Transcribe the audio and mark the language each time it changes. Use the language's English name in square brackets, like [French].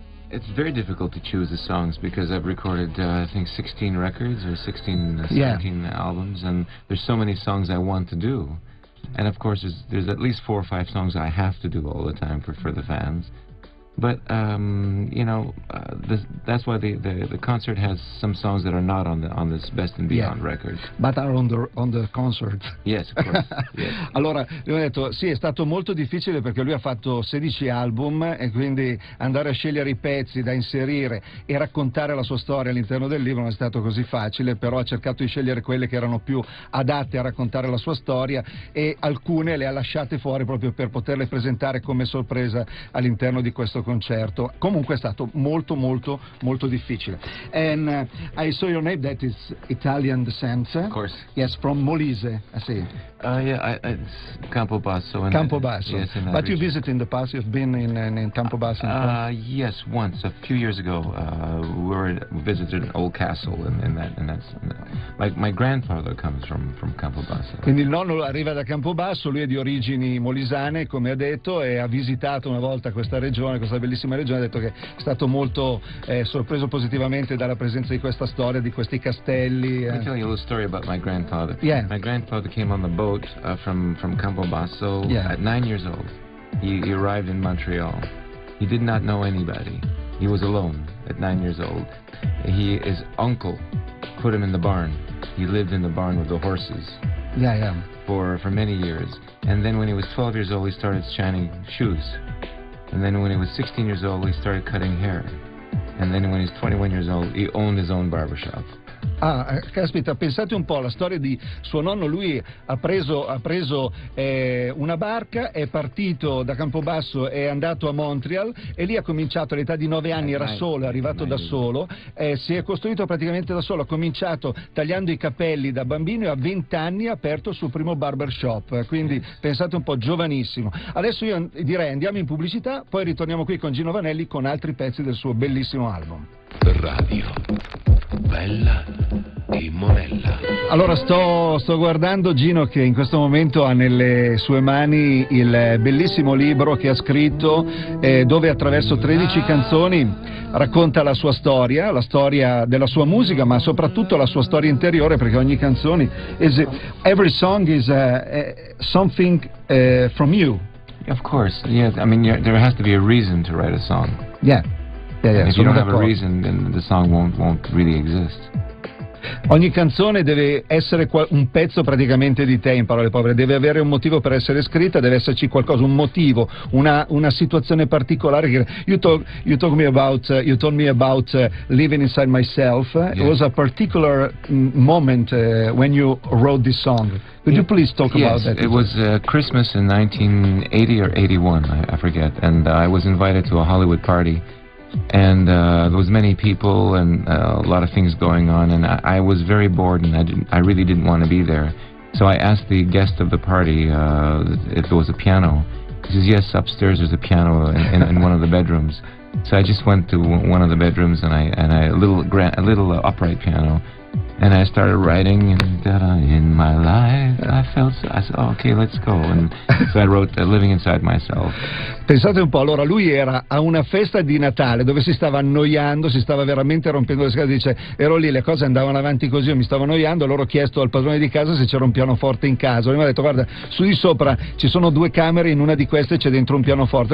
[English] It's very difficult to choose the songs because I've recorded, I think, 16 records or 16, 17 albums, and there's so many songs I want to do. And, of course, there's at least 4 or 5 songs I have to do all the time for the fans. But, you know, that's why the concert has some songs that are not on this Best and Beyond record. But are on the concert. Yes, of course. Yes. [Italian] Allora, gli ho detto, sì, è stato molto difficile perché lui ha fatto 16 album e quindi andare a scegliere i pezzi da inserire e raccontare la sua storia all'interno del libro non è stato così facile, però ha cercato di scegliere quelle che erano più adatte a raccontare la sua storia e alcune le ha lasciate fuori proprio per poterle presentare come sorpresa all'interno di questo concerto. Comunque è stato molto molto molto difficile. [English] And I saw your name, that is Italian descent. Of course. Yes, from Molise, I see. It's Campobasso. Campobasso. Yes, but region. You visited in the past, you've been in Campobasso? Yes, once, a few years ago, we visited an old castle in that. My grandfather comes from Campobasso. [Italian] Quindi il nonno arriva da Campobasso, lui è di origini molisane, come ha detto, e ha visitato una volta questa regione, questa bellissima regione, ha detto che è stato molto sorpreso positivamente dalla presenza di questa storia, di questi castelli. [English] Let me tell you a little story about my grandfather. Yeah. My grandfather came on the boat from Campobasso, yeah, at 9 years old. He arrived in Montreal. He did not know anybody. He was alone at 9 years old. His uncle put him in the barn. He lived in the barn with the horses. Yeah, yeah. For many years. And then when he was 12 years old, he started shining shoes. And then when he was 16 years old, he started cutting hair. And then when he's 21 years old, he owned his own barbershop. [Italian] Ah, caspita, pensate un po' alla storia di suo nonno. Lui ha preso una barca, è partito da Campobasso, è andato a Montreal e lì ha cominciato all'età di 9 anni, era solo, è arrivato da solo, si è costruito praticamente da solo, ha cominciato tagliando i capelli da bambino e a 20 anni ha aperto il suo primo barbershop, quindi pensate un po', giovanissimo. Adesso io direi andiamo in pubblicità, poi ritorniamo qui con Gino Vanelli con altri pezzi del suo bellissimo album. Radio Bella e Monella. Allora sto guardando Gino, che in questo momento ha nelle sue mani il bellissimo libro che ha scritto, dove attraverso 13 canzoni racconta la sua storia, la storia della sua musica, ma soprattutto la sua storia interiore, perché ogni canzone every song is something from you. [English] Of course, yeah. I mean, there has to be a reason to write a song. Yeah. Yeah, yeah. If you don't have a reason, then the song won't really exist. [Italian] Ogni canzone deve essere un pezzo praticamente di te, in parole povere, deve avere un motivo per essere scritta, deve esserci qualcosa, un motivo, una situazione particolare. [English] You told me about living inside myself. Yeah. It was a particular moment when you wrote this song. Could you please talk about that? Yes, it was Christmas in 1980 or 81, I forget, and I was invited to a Hollywood party. And there was many people and a lot of things going on, and I was very bored, and I really didn't want to be there. So I asked the guest of the party if there was a piano. He says, yes, upstairs there's a piano in one of the bedrooms. So I just went to one of the bedrooms, and a little upright piano, and I started writing, and in my life I said, oh, okay, let's go. And so I wrote Living Inside Myself. [Italian] Pensate un po', allora lui era a una festa di Natale dove si stava annoiando, si stava veramente rompendo le scatole, dice, ero lì, le cose andavano avanti così, io mi stavo annoiando, allora ho chiesto al padrone di casa se c'era un pianoforte in casa. Lui mi ha detto, guarda, su di sopra ci sono due camere, in una di queste c'è dentro un pianoforte.